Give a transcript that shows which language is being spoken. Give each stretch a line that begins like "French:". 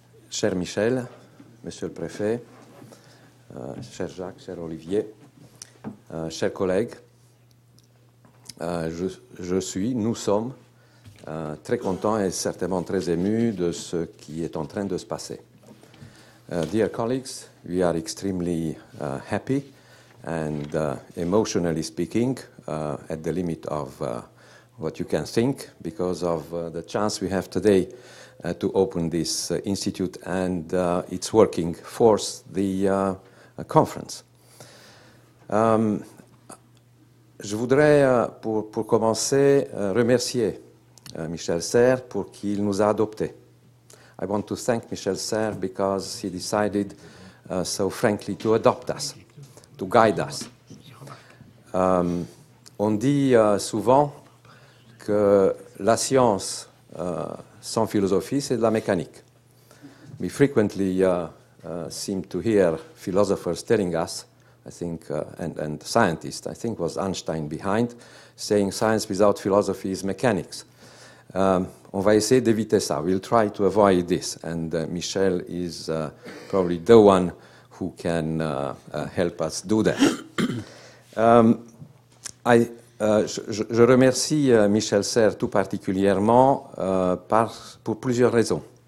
French: Cher Michel, Monsieur le Préfet, cher Jacques, cher Olivier, chers collègues, nous sommes très contents et certainement très émus de ce qui est en train de se passer.
English: Dear colleagues, we are extremely happy and emotionally speaking at the limit of what you can think because of the chance we have today to open this institute and its working force, the conference.
French: Je voudrais, pour commencer, remercier Michel Serres pour qu'il nous a adoptés.
English: I want to thank Michel Serres because he decided so frankly to adopt us, to guide us.
French: On dit souvent que la science sans philosophie, c'est de la mécanique.
English: We frequently seem to hear philosophers telling us, I think, and scientists, I think was Einstein behind, saying science without philosophy is mechanics.
French: On va essayer d'éviter ça.
English: We'll try to avoid this. And Michel is probably the one who can help us do that.
French: Je remercie Michel Serres tout particulièrement pour plusieurs raisons.